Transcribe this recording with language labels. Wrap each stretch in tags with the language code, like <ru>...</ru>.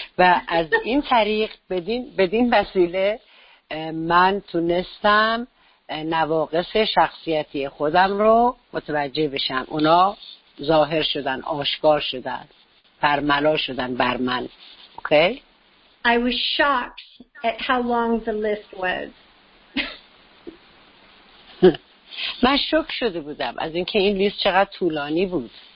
<fa>و از این طریق بدین وسیله من تونستم نواقص شخصیتی خودم رو متوجه بشم. اونا ظاهر شدن، آشکار شدن، برملا شدن بر من.</fa> <en>Okay? I was shocked at how long the list was.</en> <fa>من شوک شده بودم از اینکه این لیست چقدر طولانی بود.</fa>